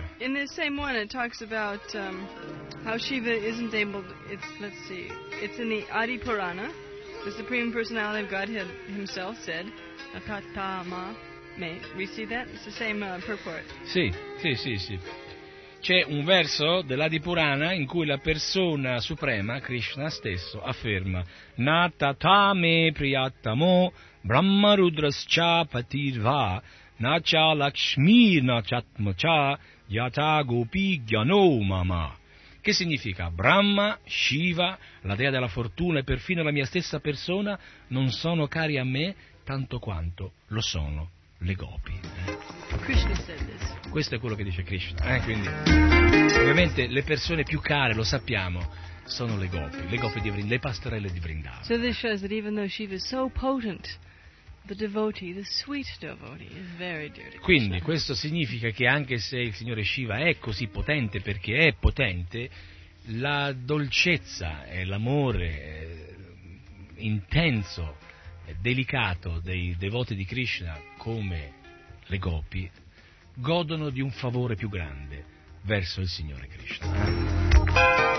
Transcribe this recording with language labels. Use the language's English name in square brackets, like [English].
[English] Well, in the same one it talks about how Shiva isn't able to, it's in the Adi Purana, the Supreme Personality of Godhead himself said, Akatama me. We see that? It's the same purport. [Italian] Sì. C'è un verso dell'Adi Purana in cui la persona suprema, Krishna stesso, afferma [Sanskrit] Natatame priyatamo Brahma Rudrascha Patirva. Nacha Lakshmi Nachatmacha Yata Gopi Gyano Mama. [Italian] Che significa? Brahma, Shiva, la dea della fortuna e perfino la mia stessa persona non sono cari a me tanto quanto lo sono le gopi. [English] Krishna said this. [Italian] Questo è quello che dice Krishna. Quindi, ovviamente le persone più care, lo sappiamo, sono le gopi di Vrindavan, le pastorelle di Vrindavan. [English] So this shows that even though Shiva is so potent, the devotee, the sweet devotee, is very dear to Krishna. [Italian] Quindi questo significa che anche se il signore Shiva è così potente, perché è potente, la dolcezza e l'amore intenso e delicato dei devoti di Krishna, come le gopi, godono di un favore più grande verso il signore Krishna.